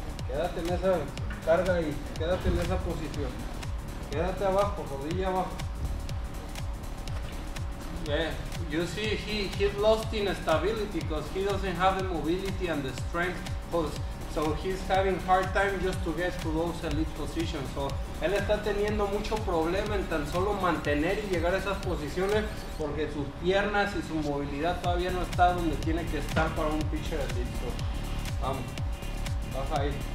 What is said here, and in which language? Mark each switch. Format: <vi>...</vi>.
<es>Quédate en esa carga y quédate en esa posición. Quédate abajo, rodilla abajo.</es> <en>Yeah, you see he lost in stability because he doesn't have the mobility and the strength. So he's having hard time just to get to those elite positions.</en> <es>So él está teniendo mucho problema en tan solo mantener y llegar a esas posiciones porque sus piernas y su movilidad todavía no está donde tiene que estar para un pitcher elite. So, vamos, baja ahí.</es>